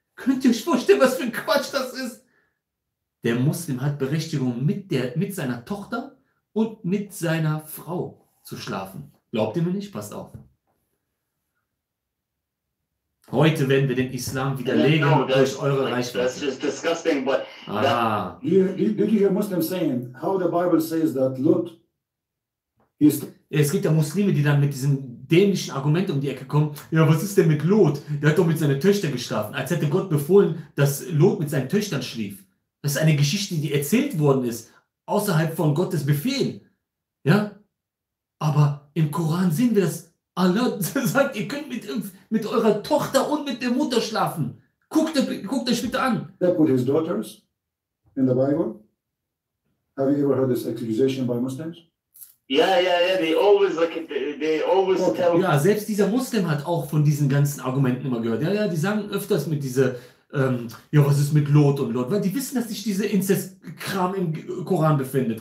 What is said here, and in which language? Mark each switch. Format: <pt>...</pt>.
<de>Könnt ihr euch vorstellen, was für ein Quatsch das ist? Der Muslim hat Berechtigung, mit seiner Tochter und mit seiner Frau zu schlafen. Glaubt ihr mir nicht? Passt auf. Heute werden wir den Islam widerlegen durch eure Reichweite.</de> <en>That's just disgusting, but... Did you hear Muslims saying, how the Bible says that Lot is...</en> <de>Es gibt ja Muslime, die dann mit diesem dämlichen Argument um die Ecke kommen. Ja, was ist denn mit Lot? Der hat doch mit seinen Töchtern geschlafen. Als hätte Gott befohlen, dass Lot mit seinen Töchtern schlief. Das ist eine Geschichte, die erzählt worden ist, außerhalb von Gottes Befehl. Ja? Aber im Koran sehen wir das. Allah sagt, ihr könnt mit eurer Tochter und mit der Mutter schlafen. Guckt euch bitte an.</de> <en>They put his daughters in the Bible. Have you ever heard this accusation by Muslims? Yeah. They always tell.</en> <de>Ja, selbst dieser Muslim hat auch von diesen ganzen Argumenten immer gehört. Ja, die sagen öfters mit dieser, was ist mit Lot und Lot? Weil die wissen, dass sich dieser Inzestkram im Koran befindet.</de>